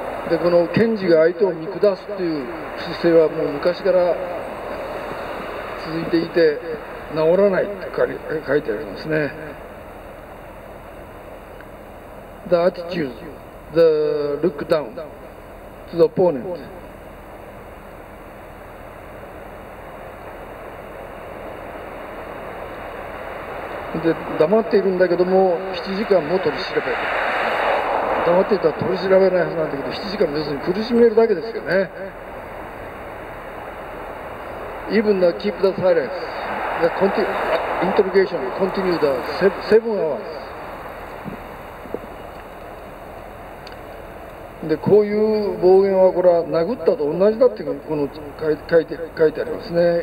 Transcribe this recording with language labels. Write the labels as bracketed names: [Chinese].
[Japanese] でこの検事が相手を見下すという姿勢はもう昔から続いていて治らないと書いてありますね。 [English] The attitude, the look down to the opponent. [Japanese] で黙っているんだけども7時間も取り調べる、黙っていたら取り調べないはずなんだけど7時間も要するに苦しめるだけですよね。 [English] Even the keep the silence the interrogation continued seven hours [Japanese] でこういう暴言はこれは殴ったと同じだっていうこの書いてありますね。